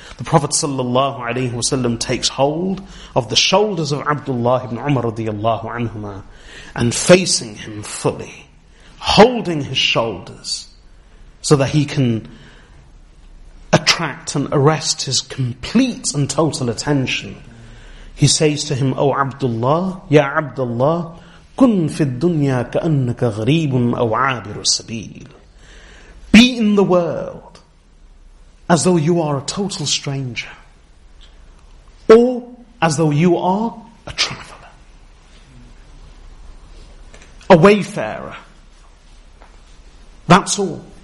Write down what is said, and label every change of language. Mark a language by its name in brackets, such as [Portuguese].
[English] The Prophet sallallahu alayhi wa sallam takes hold of the shoulders of Abdullah ibn Umar radiyallahu anhumah and facing him fully, holding his shoulders so that he can attract and arrest his complete and total attention. He says to him, O Abdullah, Ya Abdullah, [Arabic] كن في الدنيا كأنك غريب أو عابر السبيل. [English] Be in the world as though you are a total stranger, or as though you are a traveler, a wayfarer. That's all.